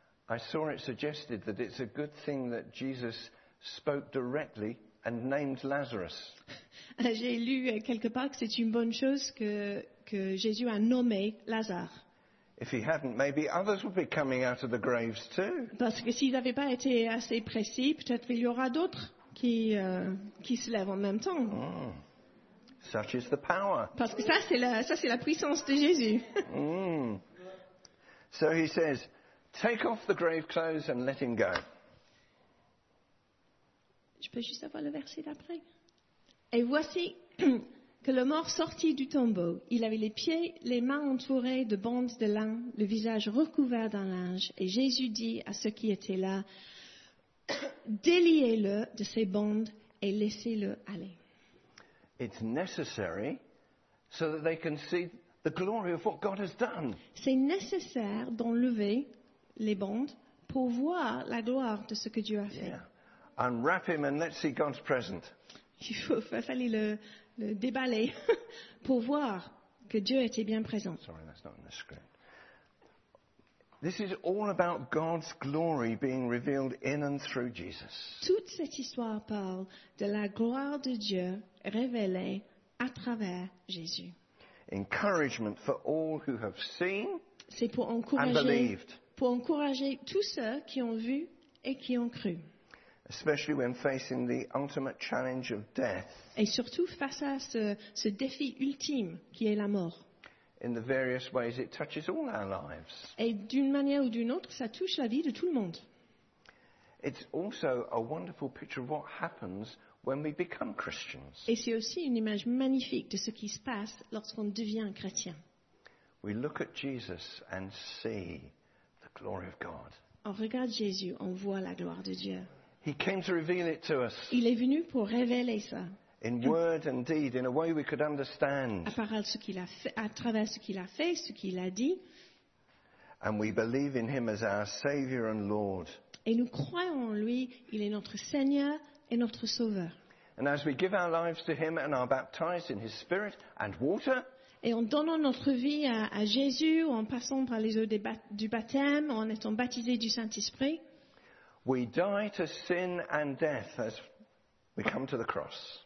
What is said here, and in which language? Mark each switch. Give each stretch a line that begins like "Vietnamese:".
English: I saw it suggested that it's a good thing that Jesus spoke directly and named Lazarus.
French: J'ai lu quelque part que c'est une bonne chose que Jésus a nommé Lazare.
English: If he hadn't, maybe others would be coming out of the graves too.
French: Parce que s'ils n'avaient pas été assez précis, peut-être il y aura d'autres qui se lèvent en même temps.
English: Oh, such is the power.
French: Parce que ça c'est la puissance de Jésus.
English: So he says, take off the grave clothes and let him go.
French: Je peux juste avoir le verset d'après. Et voici. Que le mort sortit du tombeau. Il avait les pieds, les mains entourées de bandes de lin, le visage recouvert d'un linge. Et Jésus dit à ceux qui étaient là, déliez-le de ses bandes et laissez-le aller.
English: It's necessary so that they can see the glory of what God has done.
French: C'est nécessaire d'enlever les bandes pour voir la gloire de ce que Dieu a fait.
English: Yeah. Unwrap him and let's see God's presence.
French: Il fallait le déballer pour voir que Dieu était bien présent.
English: Sorry, that's not in the script. This is all about God's glory being revealed in and through Jesus.
French: Toute cette histoire parle de la gloire de Dieu révélée à travers Jésus.
English: Encouragement for all who have seen and believed.
French: C'est pour encourager tous ceux qui ont vu et qui ont cru.
English: Especially when facing the ultimate challenge of death.
French: Et surtout face à ce défi ultime qui est la mort.
English: In the various ways it touches all our lives.
French: Et d'une manière ou d'une autre, ça touche la vie de tout le monde.
English: It's also a wonderful picture of what happens when we become Christians.
French: Et c'est aussi une image magnifique de ce qui se passe lorsqu'on devient chrétien.
English: We look at Jesus and see the glory of God.
French: On regarde Jésus, on voit la gloire de Dieu.
English: He came to reveal it to us.
French: Il est venu pour révéler ça.
English: In word and deed, in a way we could understand.
French: À travers ce qu'il a fait, ce qu'il a dit.
English: And we believe in him as our Savior and Lord.
French: Et nous croyons en lui, il est notre Seigneur et notre Sauveur.
English: And as we give our lives to him and are baptized in his spirit and water.
French: Et en donnant notre vie à Jésus, en passant par les eaux du baptême, en étant baptisé du Saint-Esprit.
English: We die to sin and death as we come to the cross.